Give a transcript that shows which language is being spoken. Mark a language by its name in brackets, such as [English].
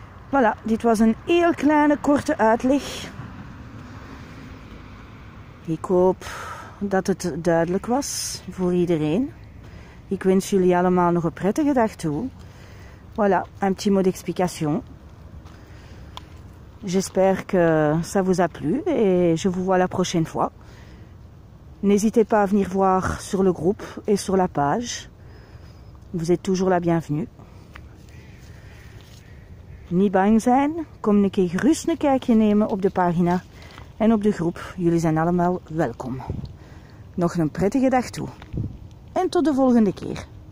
[Dutch] Voilà, dit was een heel kleine, korte uitleg. Ik hoop dat het duidelijk was voor iedereen. Ik wens jullie allemaal nog een prettige dag toe. [French] Voilà, un petit mot d'explication. J'espère que ça vous a plu et je vous vois la prochaine fois. N'hésitez pas à venir voir sur le groupe et sur la page. Vous êtes toujours la bienvenue. [Dutch] Niet bang zijn, kom een keer gerust een kijkje nemen op de pagina en op de groep. Jullie zijn allemaal welkom. Nog een prettige dag toe. En tot de volgende keer.